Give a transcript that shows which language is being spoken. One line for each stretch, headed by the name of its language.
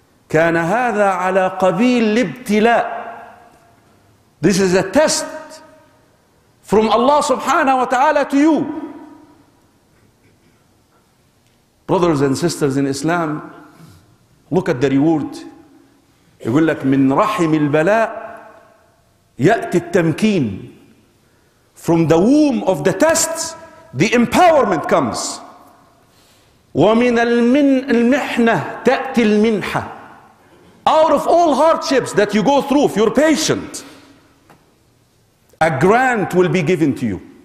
Arabic: كَانَ هَذَا عَلَى قَبِيلِ الْإِبْتِلَاءِ
English: This is a test from Allah subhanahu wa ta'ala to you. Brothers and sisters in Islam, look at the reward.
Arabic: يقول لك من رحم البلاء يأتي التمكين.
English: From the womb of the tests, the empowerment comes.
Arabic: ومن المحنة تأتي المنحة.
English: Out of all hardships that you go through, if you're patient, a grant will be given to you.